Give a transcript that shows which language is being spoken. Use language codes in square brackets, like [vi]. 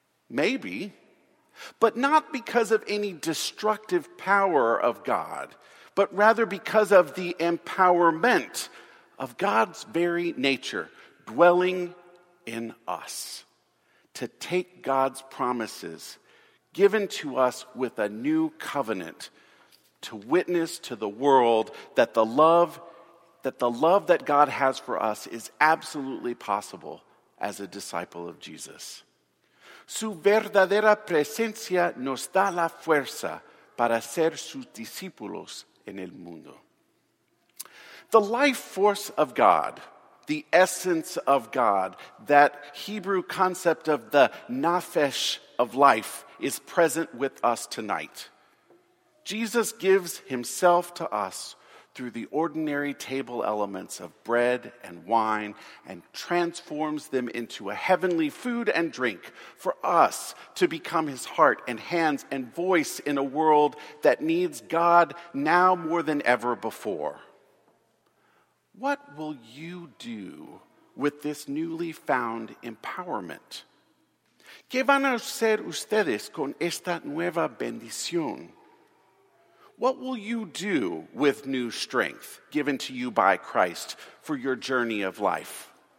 [en] Maybe, but not because of any destructive power of God, but rather because of the empowerment of God's very nature dwelling in us to take God's promises given to us with a new covenant to witness to the world that the love that God has for us is absolutely possible as a disciple of Jesus. [es] Su verdadera presencia nos da la fuerza para ser sus discípulos en el mundo. [en] The life force of God, the essence of God, that Hebrew concept of the nafesh of life, is present with us tonight. Jesus gives himself to us through the ordinary table elements of bread and wine and transforms them into a heavenly food and drink for us to become his heart and hands and voice in a world that needs God now more than ever before. What will you do with this newly found empowerment? [es] ¿Qué van a hacer ustedes con esta nueva bendición? [en] What will you do with new strength given to you by Christ for your journey of life?